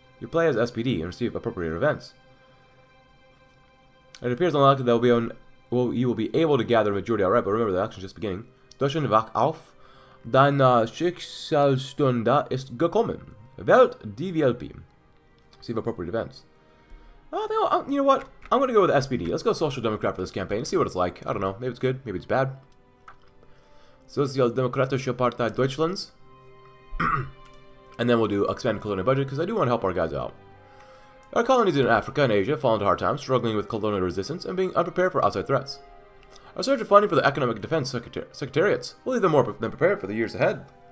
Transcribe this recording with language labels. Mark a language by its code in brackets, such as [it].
[en] You play as SPD and receive appropriate events. It appears unlikely that you will be able to gather a majority outright, but remember, the action is just beginning. [de] Deutschland, wach auf. Deine Schicksalstunde ist gekommen. [en] Welt DVLP. See if appropriate events. You know what? I'm going to go with SPD. Let's go Social Democrat for this campaign and see what it's like. I don't know. Maybe it's good. Maybe it's bad. Sozialdemokratische Partei Deutschlands. And then we'll do expanded colonial budget, because I do want to help our guys out. Our colonies in Africa and Asia fall into hard times, struggling with colonial resistance and being unprepared for outside threats. A surge of funding for the Economic Defense Secretariats will leave them more than prepared for the years ahead.